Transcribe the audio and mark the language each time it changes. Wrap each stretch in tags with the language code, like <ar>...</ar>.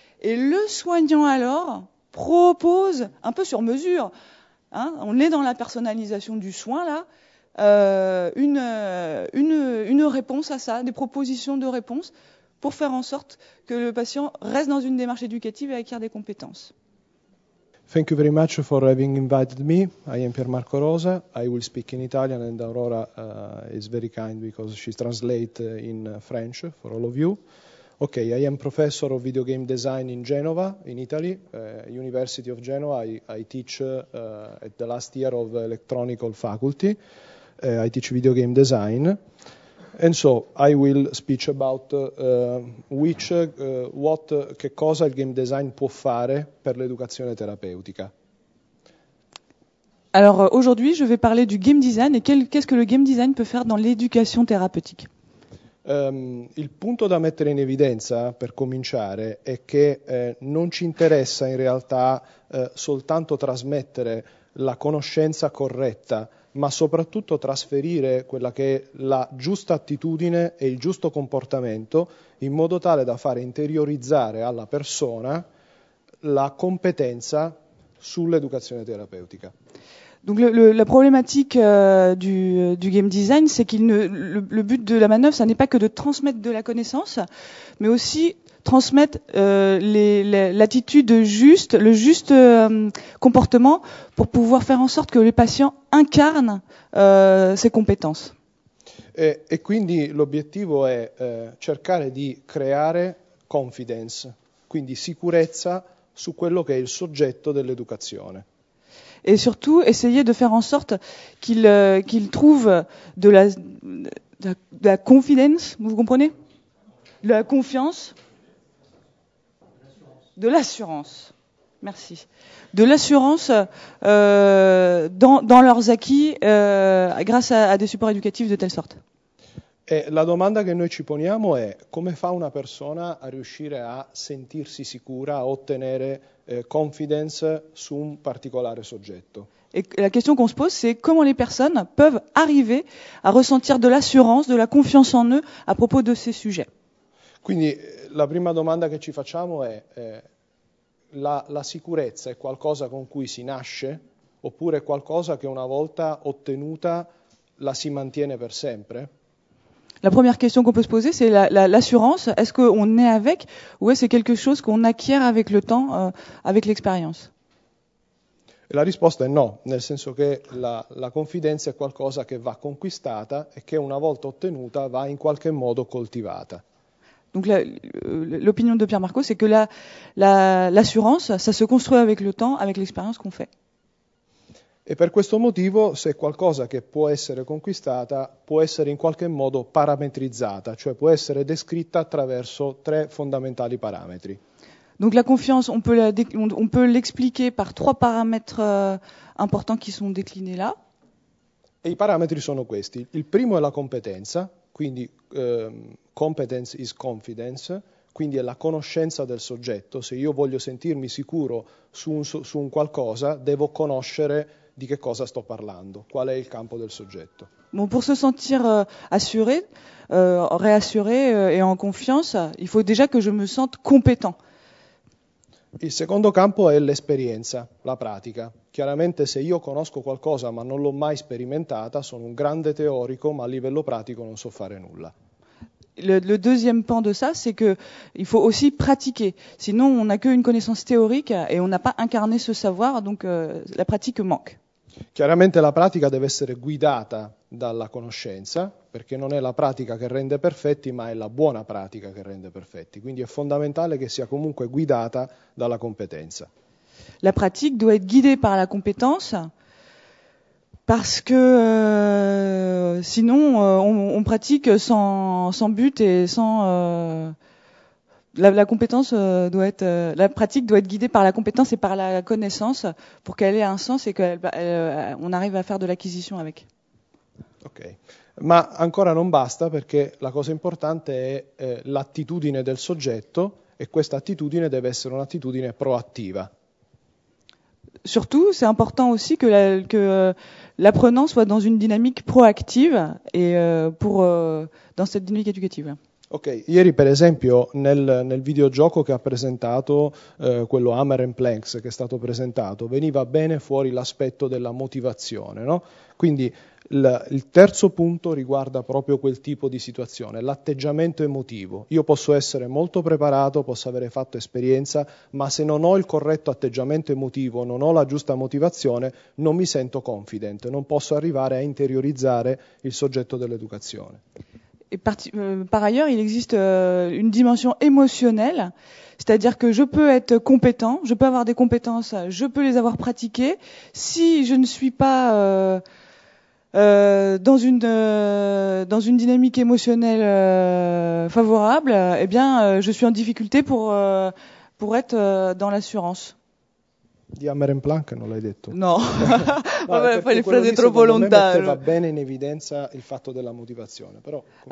<fr>Et le soignant, alors, propose, un peu sur mesure, hein, on est dans la personnalisation du soin, là, une réponse à ça, des propositions de réponse pour faire en sorte que le patient reste dans une démarche éducative et acquiert des compétences.</fr> <en>Thank you very much for having invited me. I am Pier Marco Rosa. I will speak in Italian and Aurora is very kind because she translates in French for all of you. Okay, I am professor of video game design in Genova, in Italy, University of Genova. I teach at the last year of electronical faculty. I teach video game design. And so I will speak about</en> <it>che cosa il game design può fare per l'educazione terapeutica.</it> <fr>Alors aujourd'hui, je vais parler du game design et qu'est-ce que le game design peut faire dans l'éducation thérapeutique.</fr> <it>Il punto da mettere in evidenza, per cominciare, è che non ci interessa in realtà soltanto trasmettere la conoscenza corretta, ma soprattutto trasferire quella che è la giusta attitudine e il giusto comportamento in modo tale da fare interiorizzare alla persona la competenza sull'educazione terapeutica.</it> <fr>Donc la problématique du game design, c'est qu'il ne le but de la manœuvre, ça n'est pas que de transmettre de la connaissance, mais aussi transmettre l'attitude juste, le juste comportement pour pouvoir faire en sorte que les patients incarnent ces compétences.</fr> <it>E quindi l'obiettivo è cercare di creare confidence, quindi sicurezza su quello che è il soggetto dell'educazione.</it> <fr>Et surtout, essayer de faire en sorte qu'il trouve de la confidence, vous comprenez ? De la confiance ? De l'assurance. Merci. De l'assurance dans leurs acquis grâce à des supports éducatifs de telle sorte.</fr> <it>Et la domanda che noi ci poniamo è come fa una persona a riuscire a sentirsi sicura, a ottenere confidence su un particolare soggetto.</it> <fr>Et la question qu'on se pose, c'est comment les personnes peuvent arriver à ressentir de l'assurance, de la confiance en eux à propos de ces sujets.</fr> <it>Quindi la prima domanda che ci facciamo è la sicurezza è qualcosa con cui si nasce oppure qualcosa che una volta ottenuta la si mantiene per sempre?</it> <fr>La première question qu'on peut se poser, c'est l'assurance. Est-ce qu'on est avec ou est-ce quelque chose qu'on acquiert avec le temps, avec l'expérience?</fr> <it>La risposta è no, nel senso che la confidenza è qualcosa che va conquistata e che una volta ottenuta va in qualche modo coltivata.</it> <fr>Donc l'opinion de Pier Marco, c'est que l'assurance, ça se construit avec le temps, avec l'expérience qu'on fait.</fr> <it>E per questo motivo, se qualcosa che può essere conquistata, può essere in qualche modo parametrizzata, cioè può essere descritta attraverso tre fondamentali parametri.</it> <fr>Donc la confiance, on peut l'expliquer par trois paramètres importants qui sont déclinés là.</fr> <it>E i parametri sono questi. Il primo è la competenza, quindi</it> <en>competence is confidence,</en> <it>quindi è la conoscenza del soggetto. Se io voglio sentirmi sicuro su un qualcosa, devo conoscere di che cosa sto parlando, qual è il campo del soggetto.</it> <fr>Bon, pour se sentir assuré, réassuré et en confiance, il faut déjà que je me sente compétent.</fr> <it>Il secondo campo è l'esperienza, la pratica. Chiaramente se io conosco qualcosa ma non l'ho mai sperimentata, sono un grande teorico, ma a livello pratico non so fare nulla.</it> <fr>Le deuxième pan de ça, c'est que il faut aussi pratiquer. Sinon, on n'a qu'une connaissance théorique et on n'a pas incarné ce savoir, donc la pratique manque.</fr> <it>Chiaramente la pratica deve essere guidata dalla conoscenza, perché non è la pratica che rende perfetti, ma è la buona pratica che rende perfetti. Quindi è fondamentale che sia comunque guidata dalla competenza.</it> <fr>La pratique doit être guidée par la compétence. Parce que sinon, on pratique sans but et sans la compétence doit être la pratique doit être guidée par la compétence et par la connaissance pour qu'elle ait un sens et qu'on arrive à faire de l'acquisition avec.</fr> <it>Ok, ma ancora non basta perché la cosa importante è l'attitudine del soggetto e questa attitudine deve essere un'attitudine proattiva.</it> <fr>Surtout, c'est important aussi que l'apprenant soit dans une dynamique proactive et dans cette dynamique éducative.</fr> <it>Ok, ieri per esempio nel videogioco che ha presentato, quello Hammer and Planks che è stato presentato, veniva bene fuori l'aspetto della motivazione, no? Quindi il terzo punto riguarda proprio quel tipo di situazione, l'atteggiamento emotivo. Io posso essere molto preparato, posso avere fatto esperienza, ma se non ho il corretto atteggiamento emotivo, non ho la giusta motivazione, non mi sento confident, non posso arrivare a interiorizzare il soggetto dell'educazione.</it> <fr>Et par ailleurs, il existe une dimension émotionnelle, c'est-à-dire que je peux être compétent, je peux avoir des compétences, je peux les avoir pratiquées. Si je ne suis pas dans une dynamique émotionnelle favorable, eh bien, je suis en difficulté pour être dans l'assurance.</fr> <it>Di Hammer and Planck non l'hai detto. No, vabbè, fai le frasi troppo lontane. Va bene in evidenza il fatto della motivazione, però.</it>